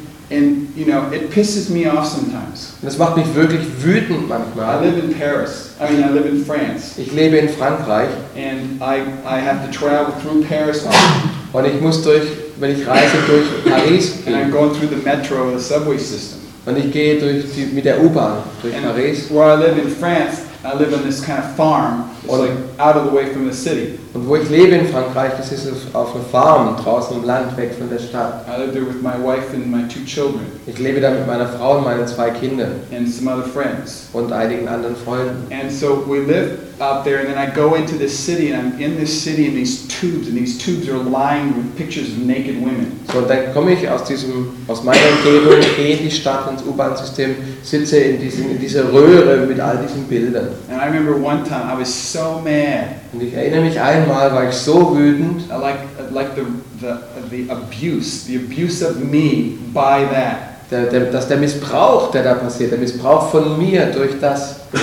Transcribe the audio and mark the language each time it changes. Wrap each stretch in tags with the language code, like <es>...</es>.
<en>And you know, it pisses me off sometimes.</en> <de>Das macht mich wirklich wütend manchmal.</de> <en>I live in France.</en> <de>Ich lebe in Frankreich.</de> <en>And I have to travel through Paris often.</en> <de>Und ich muss durch, wenn ich reise, durch Paris gehen.</de> <en>And I'm going through the metro, the subway system.</en> <de>Und ich gehe mit der U-Bahn durch</de> <en>and Paris. Where I live in France, I live on this kind of farm. It's und, like out of the way from the city.</en> <de>Und wo ich lebe in Frankreich, das ist auf einer Farm draußen im Land, weg von der Stadt.</de> <en>I live there with my wife and my two children.</en> <de>Ich lebe da mit meiner Frau und meinen zwei Kindern.</de> <en>And some other friends.</en> <de>Und einigen anderen Freunden.</de> <en>And so we live out there, and then I go into this city, and I'm in this city in these tubes, and these tubes are lined with pictures of naked women.</en> <de>So dann komme ich aus meiner Umgebung, gehe in die Stadt ins U-Bahn-System, sitze in dieser Röhre mit all diesen Bildern.</de> <en>And I remember one time I was so mad.</en> <de>Und ich erinnere mich einmal, war ich so wütend.</de> <en>Like the abuse, the abuse of me by that.</en> <de>Der Missbrauch, der da passiert, der Missbrauch von mir durch das.</de>